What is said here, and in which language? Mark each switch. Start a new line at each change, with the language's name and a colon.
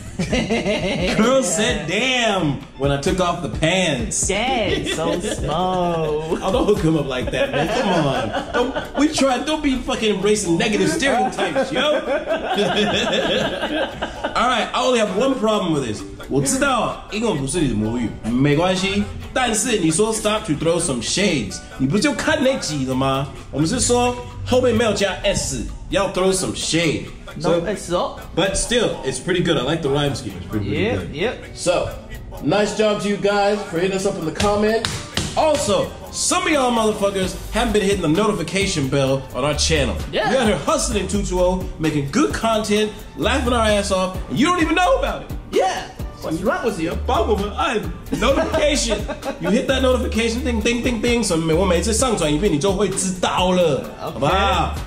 English: Girl said damn when I took off the pants. Dang, so small. Oh, don't hook him up like that, man. Come on. Don't be fucking embracing negative stereotypes, yo. Alright, I only have one problem with this.
Chinese: 我知道英文不是你的母语，没关系。但是你说
English: stop to throw some shades，
Chinese: 你不就看那几了吗？我们是说后面没有加 s， 要
English: throw some shade。 So, no, it's not. But still, it's pretty good. I like the rhyme scheme. It's pretty, pretty good. Yep. So, nice job to you guys for hitting us up in the comments. Also, some of y'all motherfuckers haven't been hitting the notification bell on our channel. Yeah. We're out here hustling 220, making good content, laughing our ass off, and you don't even know about it. Yeah. What's wrong with you? Bubble, man. Notification. You hit that notification, ding, ding, ding, ding.
Chinese: So, 我每次上传一遍，你就会知道了。